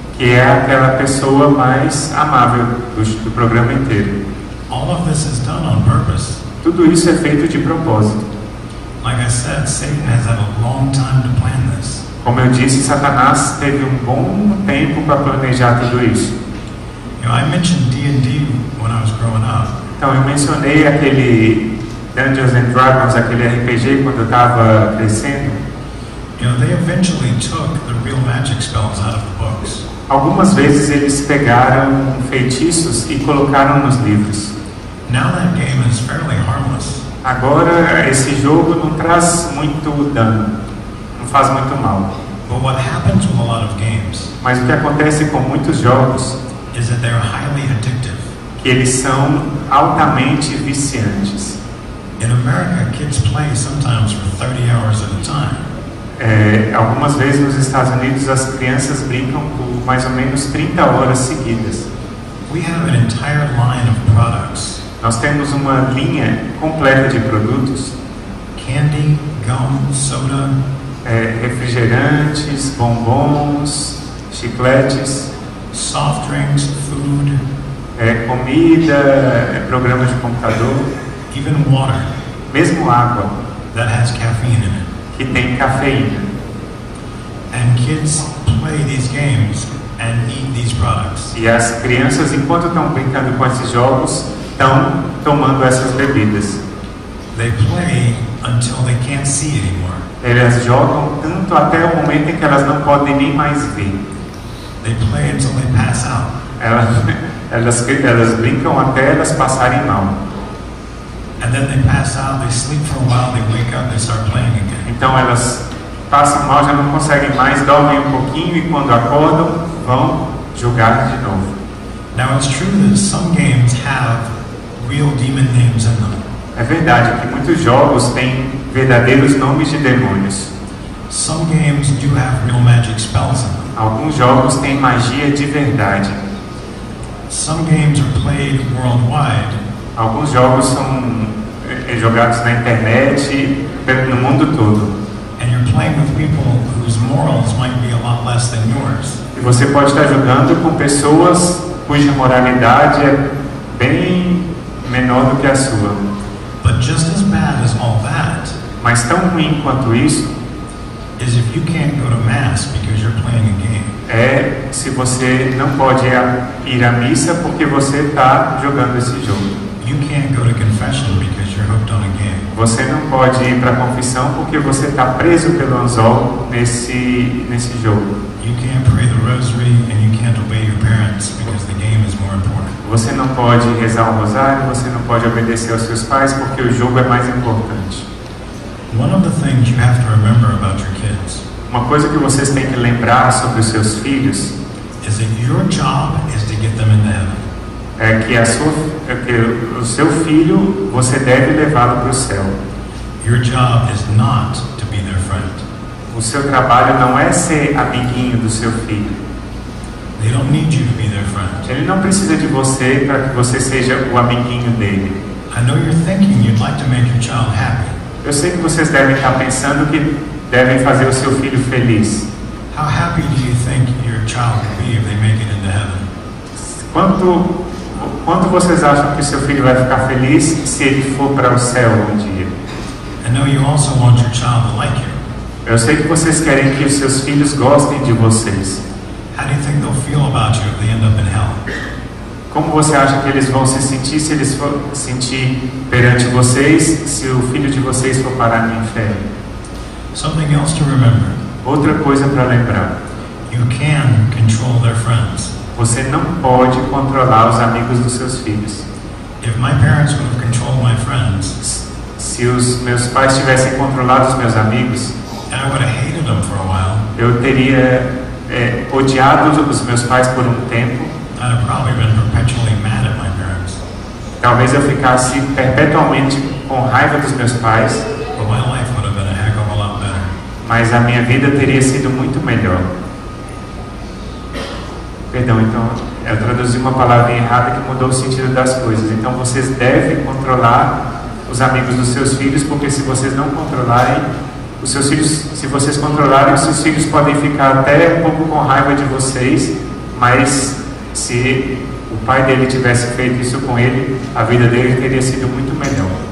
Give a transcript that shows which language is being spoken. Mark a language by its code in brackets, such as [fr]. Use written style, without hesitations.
[pt] que é aquela pessoa mais amável do programa inteiro. [en] All of this is done on purpose. [pt] Tudo isso é feito de propósito. [en] Like I said, Satan has had a long time to plan this. [pt] Como eu disse, Satanás teve um bom tempo para planejar tudo isso. [en] You know, I mentioned D&D when I was growing up. [pt] Então eu mencionei aquele Dungeons and Dragons, aquele RPG, quando eu estava crescendo. [en] You know, they eventually took the real magic spells out of the books. [pt] Algumas vezes eles pegaram feitiços e colocaram nos livros. [en] Now that game is fairly harmless. [pt] Agora esse jogo não traz muito dano, não faz muito mal. [en] But what happens with a lot of games, [pt] mas o que acontece com muitos jogos [en] is that they're highly addictive. [pt] Que eles são altamente viciantes. [en] In America, kids play sometimes for 30 hours at a time. [pt] Algumas vezes nos Estados Unidos as crianças brincam por mais ou menos 30 horas seguidas. [en] We have an entire line of products. [pt] Nós temos uma linha completa de produtos. [en] Candy, gum, soda, [pt] refrigerantes, bombons, chicletes, [en] soft drinks, food, [pt] comida, programa de computador, [en] even water, [pt] mesmo água, [en] that has caffeine in it, [pt] que tem cafeína. [en] And kids play these games and eat these products. [pt] E as crianças, enquanto estão brincando com esses jogos, estão tomando essas bebidas. [en] They play until they can't see anymore. [pt] Elas jogam tanto até o momento em que elas não podem nem mais ver. [en] They play until they pass out. [pt] Elas brincam até elas passarem mal. [en] And then they pass out, they sleep for a while, they wake up, they start playing again. [pt] Então elas passam mal, já não conseguem mais, dormem um pouquinho e quando acordam, vão jogar de novo. [en] Now it's true that some games have real demon names in them. [pt] É verdade que muitos jogos têm verdadeiros nomes de demônios. [en] Some games do have real magic spells in them. [pt] Alguns jogos têm magia de verdade. [en] Some games are played worldwide. [pt] Alguns jogos são jogados na internet e no mundo todo. [en] And you're playing with people whose morals might be a lot less than yours. [pt] E você pode estar jogando com pessoas cuja moralidade é bem menor do que a sua. [en] But just as bad as all that, [pt] mas tão ruim quanto isso, [en] is if you can't go to mass because you're playing a game. [pt] É se você não pode ir à missa porque você está jogando esse jogo. [en] You can't go to confession because you're hooked on a game. [pt] Você não pode ir para a confissão porque você está preso pelo anzol nesse jogo. [en] You can't pray the rosary and you can't obey your parents because the game is more important. [pt] Você não pode rezar o rosário, você não pode obedecer aos seus pais porque o jogo é mais importante. [en] One of the things you have to remember about your kids. [pt] Uma coisa que vocês têm que lembrar sobre os seus filhos [en] is that your job is to get them in the heaven. [pt] É que o seu filho você deve levá-lo para o céu. [en] Your job is not to be their friend. [pt] O seu trabalho não é ser amiguinho do seu filho. [en] They don't need you to be their friend. [pt] Ele não precisa de você para que você seja o amiguinho dele. [en] I know you're thinking you'd like to make your child happy. [pt] Eu sei que vocês devem estar pensando que devem fazer o seu filho feliz. [en] How happy do you think your child will be if they make it into heaven? [pt] Quanto vocês acham que seu filho vai ficar feliz se ele for para o céu um dia? [en] I know you also want your child to like you. [pt] Eu sei que vocês querem que os seus filhos gostem de vocês. [en] How do you think they'll feel about you if they end up in hell? [pt] Como você acha que eles vão se sentir se eles for sentir perante vocês se o filho de vocês for parar no inferno? [en] Something else to remember. [pt] Outra coisa para lembrar. [en] You can control their friends. [pt] Você não pode controlar os amigos dos seus filhos. [en] If my parents would have controlled my friends, [pt] se os meus pais tivessem controlado os meus amigos, [en] I would have hated them for a while. [pt] Eu teria odiado os meus pais por um tempo. [en] I'd have probably been perpetually mad at my parents. [pt] Talvez eu ficasse perpetuamente com raiva dos meus pais. [en] But my life would have been a heck of a lot better. [pt] Mas a minha vida teria sido muito melhor. Perdão, então, eu traduzi uma palavra errada que mudou o sentido das coisas. Então, vocês devem controlar os amigos dos seus filhos, porque se vocês não controlarem, os seus filhos, se vocês controlarem, os seus filhos podem ficar até um pouco com raiva de vocês, mas se o pai dele tivesse feito isso com ele, a vida dele teria sido muito melhor.